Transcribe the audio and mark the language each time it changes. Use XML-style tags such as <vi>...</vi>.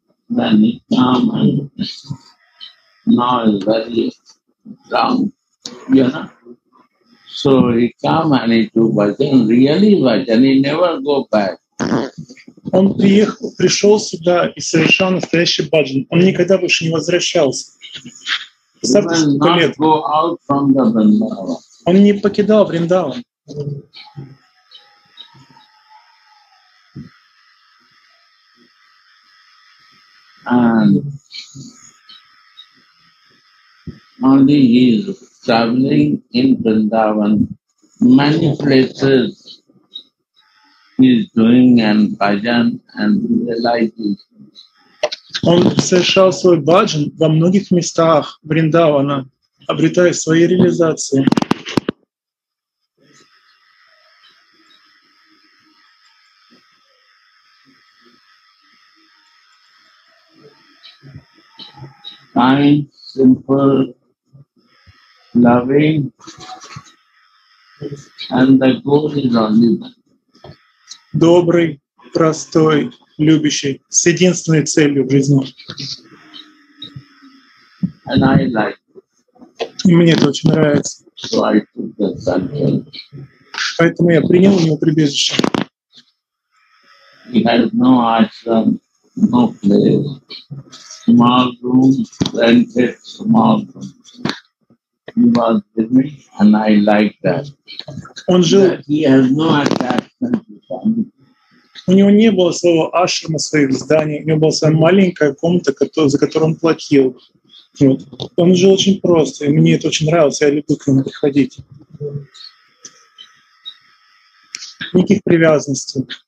<en>Then it comes and now is very strong. You know? So he comes and he took bhajan, really bhajan, he never go back.</en> <ru>Он приехал, пришел сюда и совершал настоящий баджан. Он никогда больше не возвращался. Представьте, сколько лет. Он не покидал Вриндаван.</ru> <en>Only he is traveling in Vrindavan, many places. He is doing an bhajan and realizing.</en> <ru>Он совершал свой баджан во многих местах Вриндавана, обретая свои реализации.</ru> <en>Kind, simple, loving, and the goal is only.</en> <ru>Добрый, простой, любящий, с единственной целью в жизни.</ru> <en>And I like</en> <ru>it. Мне это очень нравится.</ru> <en>So I took the sanctuary.</en> <ru>Поэтому я принял у него прибежище.</ru> <en>He has no ashram, no place, small room, rented small room. He was with me, and I like that.</en> <ru>Он жил.</ru> <en>He has no attachment to family.</en> <ru>У него не было своего ашрама, своих зданий, у него была своя маленькая комната, за которую он платил. Вот. Он жил очень просто, и мне это очень нравилось, я люблю к нему приходить. Никаких привязанностей.</ru>